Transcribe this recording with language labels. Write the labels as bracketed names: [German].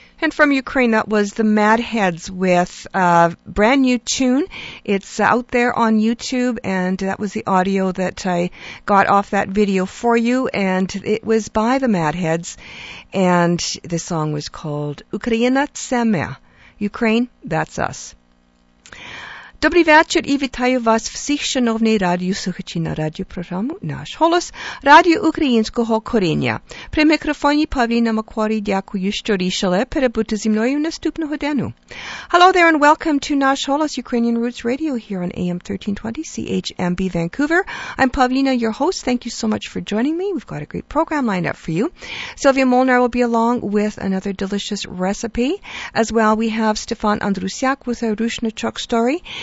[English] From Ukraine, that was the Madheads with a brand new tune. It's out there on YouTube, and that was the audio that I got off that video for you, and it was by the Madheads, and the song was called Ukraina Tseme, Ukraine, that's us. [Ukrainian] Добрий вечір і вітаю вас всіх, шановні радіослухачі, на радіопрограму «Наш голос» Радіо Українського коріння. При мікрофоні Павліна Макварі, дякую, що рішили перебути зі мною наступного дня. [English] Hello there and welcome to «Наш голос» Ukrainian Roots Radio here on AM 1320 CHMB Vancouver. I'm Павліна, your host. Thank you so much for joining me. We've got a great program lined up for you. Sylvia Molnar will be along with another delicious recipe. As well, we have Stefan Andrusiak with a Rushnichok story.